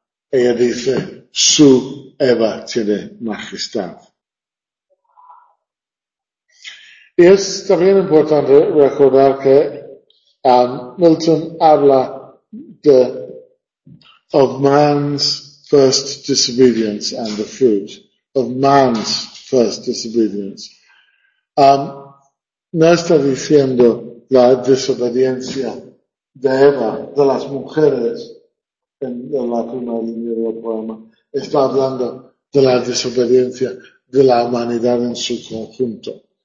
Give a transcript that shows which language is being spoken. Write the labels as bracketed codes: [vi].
[es] Ella dice, su Eva tiene majestad. Y es también importante recordar que Milton habla de [en] of man's first disobedience and the fruit. Of man's first disobedience. [es] No está diciendo la desobediencia de Eva, de las mujeres, en la primera línea del poema. Está hablando de la desobediencia de la humanidad en su conjunto.